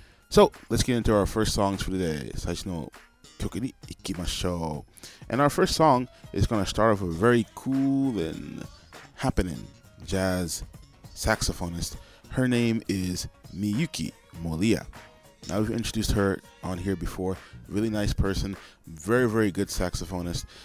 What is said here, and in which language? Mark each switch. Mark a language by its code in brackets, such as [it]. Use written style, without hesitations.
[en] So, let's get into our first songs for today. [ja] 最初の曲に行きましょう。 [en] And our first song is going to start off a very cool and happening jazz saxophonist. Her name is Miyuki Moriya. Now, we've introduced her on here before. Really nice person. Very, very good saxophonist.